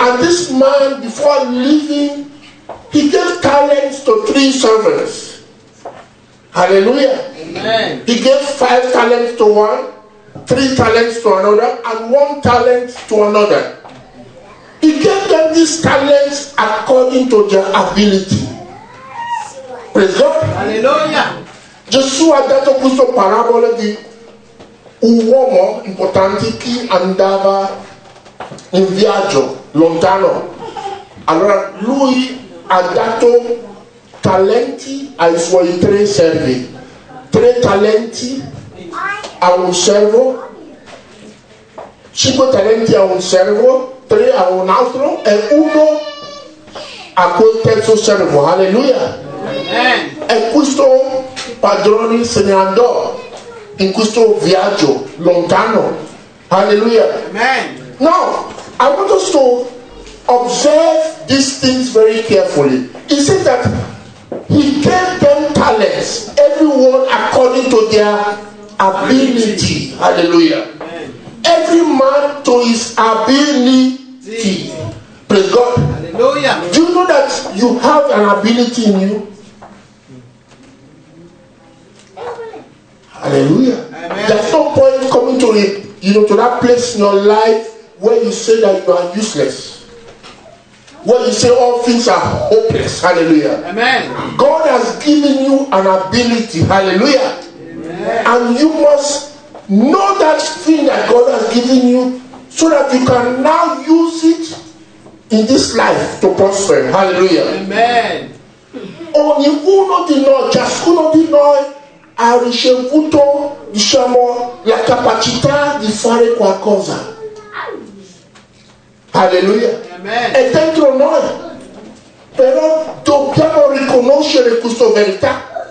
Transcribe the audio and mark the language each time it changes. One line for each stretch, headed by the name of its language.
English: And this man, before leaving, he gave talents to three servants. Hallelujah. Amen. He gave five talents to one, three talents to another, and one talent to another. He gave them these talents according to their ability. Praise God. Hallelujah.
Italian: Gesù ha dato questa parabola di un uomo importante che andava in viaggio lontano. Allora lui ha dato talenti ai suoi tre servi. Tre talenti a un servo, cinque talenti a un servo, tre a un altro e uno a quel terzo servo. Alleluia. Amen. E questo padrone se ne andò in questo viaggio lontano. Alleluia. Amen.
English: Now I want us to observe these things very carefully. He said that he gave them talents, everyone according to their ability. Hallelujah. Amen. Every man to his ability. Praise God. Hallelujah. Do you know that you have an ability in you? Hallelujah. Amen. There's no point coming to it, you know, to that place in your life where you say that you are useless, where you say all things are hopeless. Hallelujah. Amen. God has given you an ability. Hallelujah. And you must know that thing that God has given you so that you can now use it in this life to prosper. Hallelujah. Amen.
Italian: Ogni uno di noi, ciascuno di noi, ha ricevuto, diciamo, la capacità di fare qualcosa.
English: Hallelujah. Amen.
Italian: È dentro noi. Però dobbiamo riconoscere questa verità.